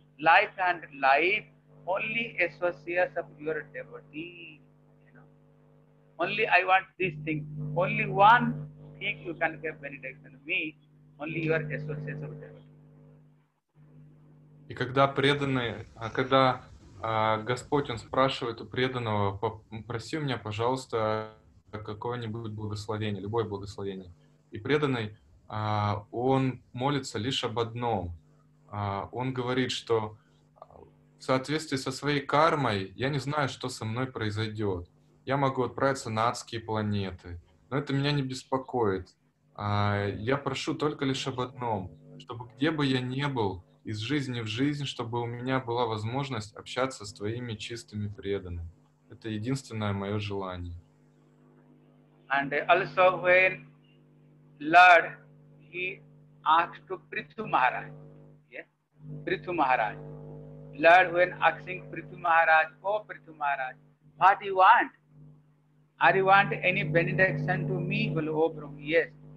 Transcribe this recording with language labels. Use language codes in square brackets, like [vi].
[en] Life and life only associates of your devotee. You know? Only I want this thing. Only one thing you can give benediction to me. Only your associates of devotee. [ru] И когда преданный, когда Господь, он спрашивает у преданного, попроси у меня, пожалуйста, какое-нибудь благословение, любое благословение. И преданный, он молится лишь об одном. Он говорит, что в соответствии со своей кармой я не знаю, что со мной произойдет. Я могу отправиться на адские планеты, но это меня не беспокоит. Я прошу только лишь об одном, чтобы где бы я ни был, из жизни в жизнь, чтобы у меня была возможность общаться с твоими чистыми преданными. Это единственное мое желание. [en] And also when Lord, he asked to Prithu Maharaj. Prithu Maharaj. Lord, when asking Prithu Maharaj, oh Prithu Maharaj, what do you want? Are you want any benediction to me? Well, oh Prabhu, yes.